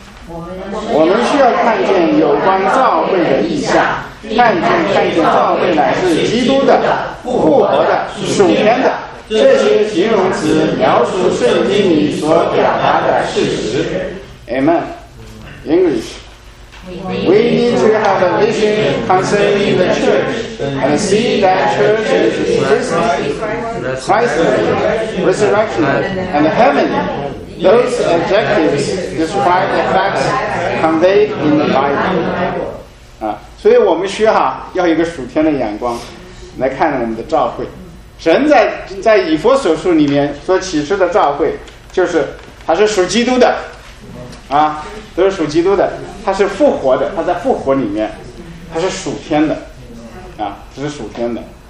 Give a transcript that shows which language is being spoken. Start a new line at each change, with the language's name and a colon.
Chinese: 我们需要看见有关教会的意象，看见教会乃是基督的、复活的、属天的，这些形容词描述圣经里所表达的事实。
English: Amen. English. We need to have a vision concerning the church and see that church is Christmas, Christmas, resurrection, and heaven. Those adjectives describe the facts conveyed in the Bible.
Chinese: 啊，所以我们需要要一个属天的眼光来看我们的召会。神在以弗所书里面所启示的召会，就是它是属基督的。啊，都是属基督的，他是复活的，他在复活里面，他是属天的，啊，他是属天的。